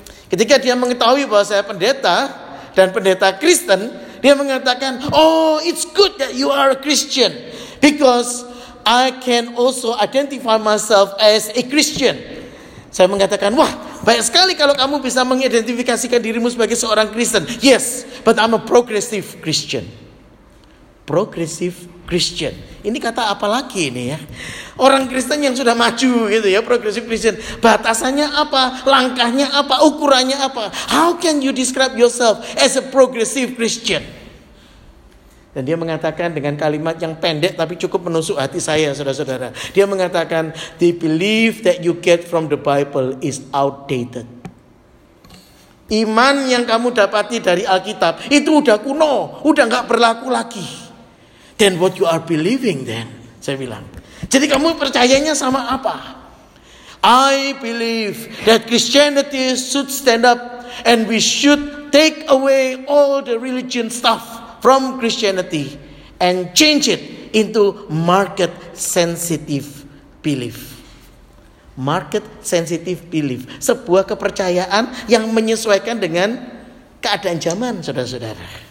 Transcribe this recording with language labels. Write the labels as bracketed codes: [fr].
[id] Ketika dia mengetahui bahwa saya pendeta dan pendeta Kristen, dia mengatakan, [en] "Oh, it's good that you are a Christian because I can also identify myself as a Christian." [id] Saya mengatakan, "Wah, baik sekali kalau kamu bisa mengidentifikasikan dirimu sebagai seorang Kristen." [en] "Yes, but I'm a progressive Christian." [id] Progressive Christian. Ini kata apa lagi ini ya? Orang Kristen yang sudah maju gitu ya, progressive Christian. Batasannya apa? Langkahnya apa? Ukurannya apa? [en] How can you describe yourself as a progressive Christian? [id] Dan dia mengatakan dengan kalimat yang pendek tapi cukup menusuk hati saya, saudara-saudara. Dia mengatakan, [en] "The belief that you get from the Bible is outdated." [id] Iman yang kamu dapati dari Alkitab itu udah kuno, udah gak berlaku lagi. [en] "Then what you are believing then?" [id] saya bilang. "Jadi kamu percayanya sama apa?" [en] "I believe that Christianity should stand up and we should take away all the religion stuff from Christianity and change it into market sensitive belief." [id] Market sensitive belief, sebuah kepercayaan yang menyesuaikan dengan keadaan zaman, saudara-saudara.